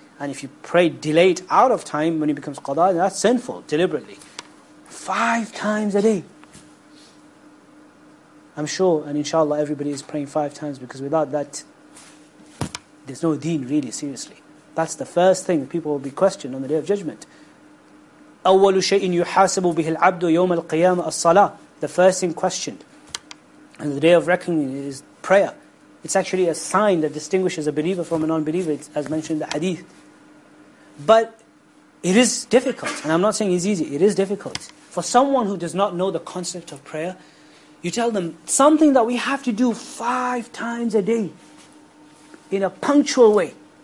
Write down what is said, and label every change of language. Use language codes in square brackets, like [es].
[en] And if you pray delayed out of time when it becomes qada, then that's sinful deliberately. 5 times a day. I'm sure, and inshallah, everybody is praying 5 times, because without that, there's no deen really, seriously. That's the first thing people will be questioned on the Day of Judgment. [ar] أول شيء يحاسب به العبد يوم القيامة الصلاة. [en] The first thing questioned on the Day of Reckoning is prayer. It's actually a sign that distinguishes a believer from a non-believer, as mentioned in the hadith. But it is difficult, and I'm not saying it's easy, it is difficult. For someone who does not know the concept of prayer, you tell them something that we have to do 5 times a day in a punctual way.